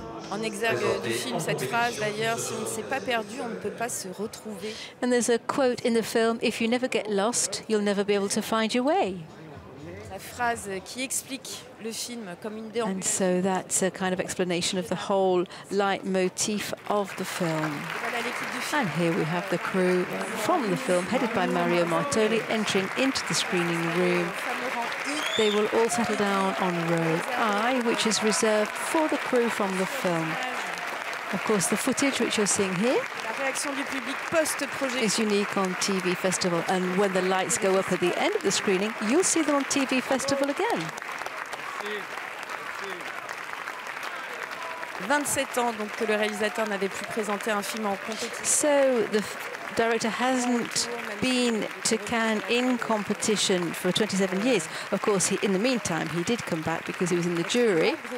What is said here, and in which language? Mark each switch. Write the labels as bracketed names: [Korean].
[French] En exergue du film, cette phrase d'ailleurs, si on ne s'est pas perdu, on ne peut pas se retrouver. [English] And there's a quote in the film, if you never get lost, you'll never be able to find your way. [French] La phrase qui explique le film comme une déambulation. [English] And so that's a kind of explanation of the whole leitmotif of the film. And here we have the crew from the film, headed by Mario Martoli, entering into the screening room. They will all settle down on row I, which is reserved for the crew from the film. Of course, the footage which you're seeing here is unique on TV Festival. And when the lights go up at the end of the screening, you'll see them on TV Festival again. [French] 27 ans donc que le réalisateur n'avait plus présenté un film en compétition. [English] So the director hasn't been to Cannes in competition for 27 years. Of course, he, in the meantime, he did come back because he was in the jury.